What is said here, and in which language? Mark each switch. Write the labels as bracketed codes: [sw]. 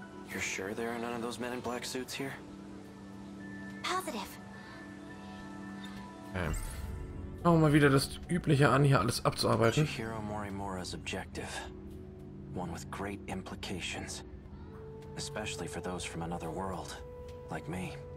[en] You're sure there are none of those men in black suits here? Positive. Okay. [de] Oh, mal wieder das Übliche an, hier alles abzuarbeiten. [en] Chihiro Morimura's objective. One with great implications. Especially for those from another world, like me.